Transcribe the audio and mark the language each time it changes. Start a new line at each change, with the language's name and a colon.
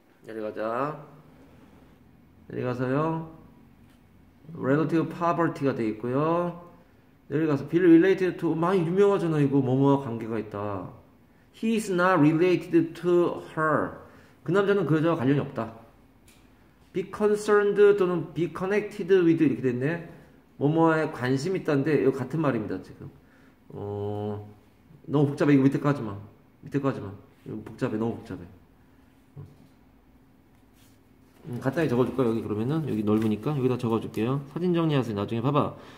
Korean: 내려가자. 내려가서요. relative poverty가 되어 있고요. 내려가서
English: be related to
Korean: 많이 유명하잖아 이거 뭐뭐와 관계가 있다.
English: He is not related to her.
Korean: 그 남자는 그 여자와 관련이 없다.
English: be concerned
Korean: 또는
English: be connected with
Korean: 이렇게 됐네. 뭐뭐에 관심 있다는데 이거 같은 말입니다 지금. 너무 복잡해. 이거 밑에 까지 마. 밑에 까지 마. 복잡해. 너무 복잡해. 간단히 적어줄까 여기 그러면은 여기 넓으니까 여기다 적어줄게요. 사진 정리하세요. 나중에 봐봐.